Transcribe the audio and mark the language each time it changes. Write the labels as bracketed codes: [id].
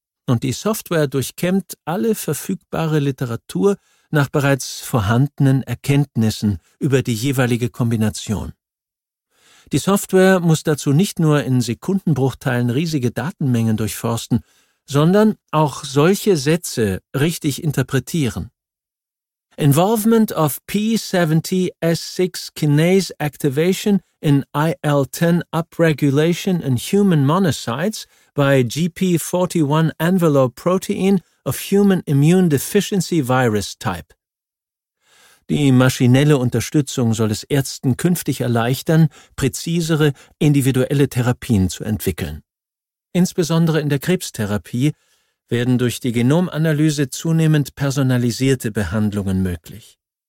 [de] Und die Software durchkämmt alle verfügbare Literatur nach bereits vorhandenen Erkenntnissen über die jeweilige Kombination. Die Software muss dazu nicht nur in Sekundenbruchteilen riesige Datenmengen durchforsten, sondern auch solche Sätze richtig interpretieren. [en] Involvement of P70S6 kinase activation in IL-10 upregulation in human monocytes by GP41 envelope protein of human immune deficiency virus type. [de] Die maschinelle Unterstützung soll es Ärzten künftig erleichtern, präzisere, individuelle Therapien zu entwickeln. Insbesondere in der Krebstherapie werden durch die Genomanalyse zunehmend personalisierte Behandlungen möglich.